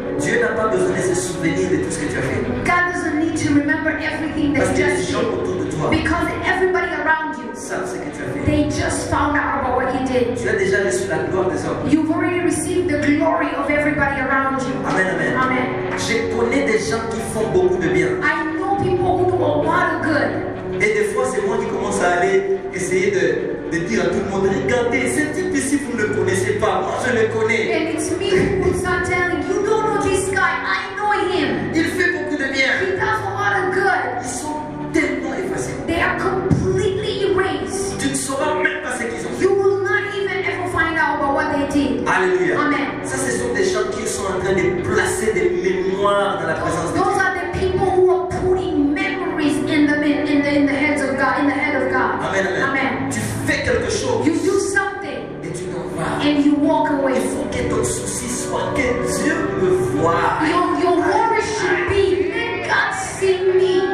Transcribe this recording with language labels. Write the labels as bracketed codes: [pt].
[fr] Dieu n'a pas besoin de se souvenir de tout ce que tu as fait. [en] God doesn't need to remember everything that [fr] parce [en] you just did. Because everybody around you, [fr] ça, c'est que tu as fait. [en] They just found out about what. what he did. [fr] Tu as déjà reçu la gloire des hommes. [en] You've already received the glory of everybody around you. Amen, amen. Amen. [fr] Je connais des gens qui font beaucoup de bien. [en] I know people who do a lot of good. [fr] Et des fois, c'est moi qui commence à aller essayer de dire à tout le monde, regardez, ce type ici, vous ne le connaissez pas, moi je le connais. [en] And it's me who starts telling, you don't know this guy, I know him. [fr] Il fait beaucoup de bien. [en] He does a lot of good. [fr] Ils sont tellement effacés. [en] They are completely erased. [fr] Tu ne sauras même pas ce qu'ils ont fait. [en] You will not even ever find out about what they did. Alléluia. Amen. [fr] Ça, ce sont des gens qui sont en train de placer des mémoires dans la présence de Dieu. [en] Those are the people who are putting memories in the heads of God, in the head of God. Amen, amen. Amen. [fr] Tu fais quelque chose. [en] You do something. [fr] Et tu t'en vas. [en] And you walk away. [fr] Il faut que ton souci soit que Dieu me voit. [en] Your worry should be, let God see me.